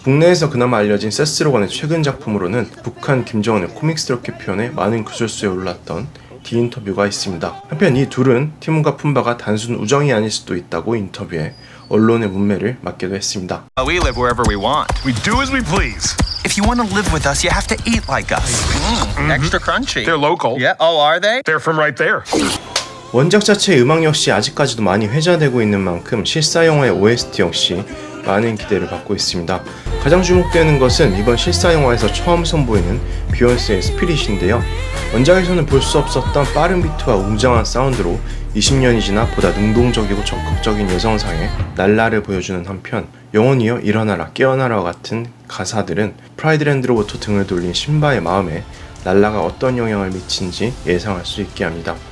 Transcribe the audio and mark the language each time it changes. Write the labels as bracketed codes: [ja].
[ko] 국내에서 그나마 알려진 세스 로건의 최근 작품으로는 북한 김정은을 코믹스럽게 표현해 많은 구설수에 올랐던 디 인터뷰가 있습니다. 한편 이 둘은 티몬과 품바가 단순 우정이 아닐 수도 있다고 인터뷰해 언론의 문매를 맞기도 했습니다. [en] We live wherever we want. We do as we please. If you want to live with us, you have to eat like us. Extra crunchy. They're local. Yeah. Oh, are they? They're from right there. [ko] 원작 자체의 음악 역시 아직까지도 많이 회자되고 있는 만큼 실사 영화의 OST 역시 많은 기대를 받고 있습니다. 가장 주목되는 것은 이번 실사 영화에서 처음 선보이는 비욘세의 스피릿인데요. 원작에서는 볼 수 없었던 빠른 비트와 웅장한 사운드로 20년이 지나 보다 능동적이고 적극적인 여성상의 날라를 보여주는 한편 영혼이여 일어나라 깨어나라와 같은 가사들은 프라이드랜드로부터 등을 돌린 심바의 마음에 날라가 어떤 영향을 미친지 예상할 수 있게 합니다.